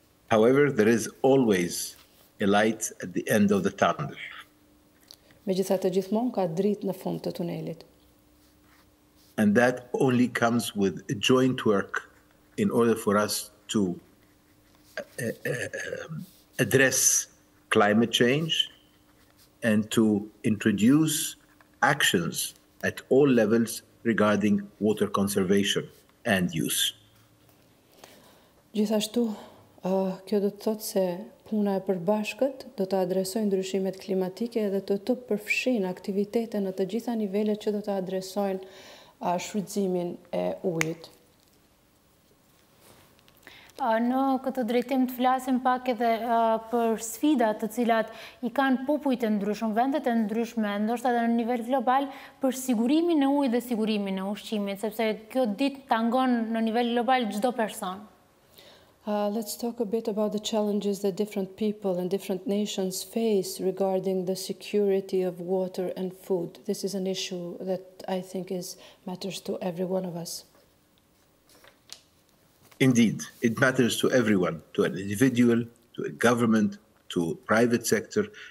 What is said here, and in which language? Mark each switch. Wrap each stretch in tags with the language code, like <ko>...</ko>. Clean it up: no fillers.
<en>However, there is always a light at the end of the tunnel.</en> <sq>Megjithatë gjithmonë ka dritë në fund të tunelit.</sq> <en>And that only comes with a joint work in order for us to address climate change and to introduce actions at all levels regarding water conservation and use.</en> <sq>Gjithashtu, kjo do të thotë se puna e përbashkët do të adresojë ndryshimet klimatike dhe do të përfshijë aktivitete në të gjitha nivelet që do të adresojnë shfrytëzimin e ujit. Në këtë drejtim të flasim pak edhe për sfidat të cilat I kanë popujt e ndryshëm, vendet e ndryshme, ndoshta edhe në nivel global, për sigurimin e ujit dhe sigurimin e ushqimit, sepse kjo ditë tangon në nivel global çdo person.</sq> <en>Let's talk a bit about the challenges that different people and different nations face regarding the security of water and food. This is an issue that I think matters to every one of us. Indeed, it matters to everyone, to an individual, to a government, to a private sector.</en>